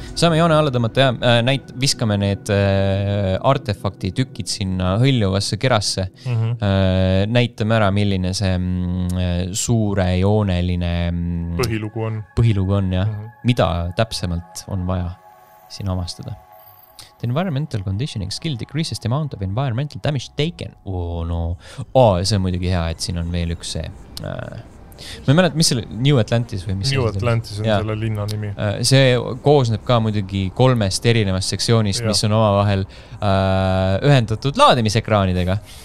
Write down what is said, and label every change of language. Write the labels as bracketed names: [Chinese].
[Estonian] Saame joone alla tõmmata ja näit viskame need artefakti tükid sinna hõljuvasse kerasse. Näitame ära, milline see suure jooneline põhilugu on ja mida täpsemalt on vaja siin avastada. [English] The environmental conditioning skill decreases the amount of environmental damage taken. [Estonian] See on muidugi hea, et siin on veel üks see Ma ei mäleta, mis selle New Atlantis või mis New Atlantis on selle linna nimi. See koosneb ka muidugi kolmest erinevast seksioonist, mis on oma vahel ühendatud laadimisekraanidega.